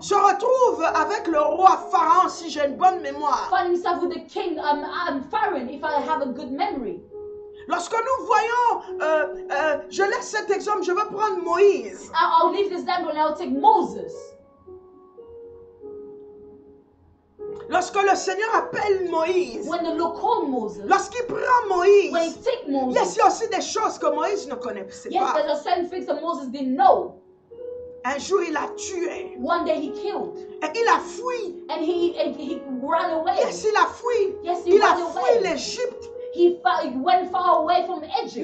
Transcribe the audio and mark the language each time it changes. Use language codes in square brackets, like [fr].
[fr] se retrouve avec le roi Pharaon, si j'ai une bonne mémoire. [en] Find himself with the king, Pharaoh, if I have a good memory. [fr] Lorsque nous voyons, je laisse cet exemple, je veux prendre Moïse. [en] I'll leave this example and I'll take Moses. [fr] Lorsque le Seigneur appelle Moïse, [en] when the Lord called Moses, [fr] lorsqu'il prend Moïse, [en] when he take Moses, [fr] yes, il y a aussi des choses que Moïse ne connaissait [en] yes, [fr] pas. [en] Yes, there are certain things that Moses didn't know. [fr] Un jour, il a tué. [en] One day he killed. [fr] Et il a fui. [en] And he ran away. [fr] Yes, il a fui. [en] Yes, [fr] il a fui l'Égypte. [en] He went far away from Egypt.